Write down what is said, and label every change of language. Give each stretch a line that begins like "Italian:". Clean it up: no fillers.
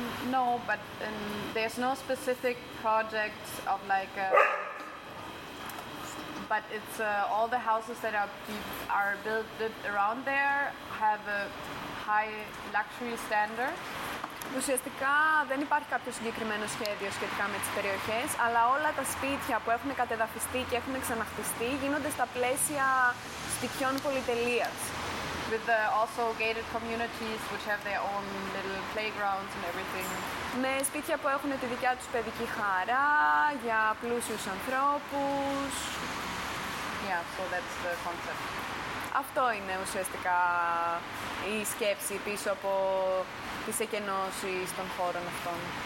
English: No, but there's no specific project of like a... But it's all the houses that are built around there have a high luxury standard.
Greek: Ουσιαστικά δεν υπάρχει κάποιο συγκεκριμένο σχέδιο σχετικά με τις περιοχές, αλλά όλα τα σπίτια που έχουν κατεδαφιστεί και έχουν ξαναχτιστεί γίνονται στα πλαίσια σπιτιών πολυτελείας.
English: With the also gated communities which have their own little playgrounds and everything.
Greek: Με σπίτια που έχουν τη δικιά τους παιδική χαρά για πλούσιους ανθρώπους.
English: Yeah, so that's the concept.
Greek: Αυτό είναι ουσιαστικά η σκέψη πίσω από τις εκενώσεις των χώρων αυτών.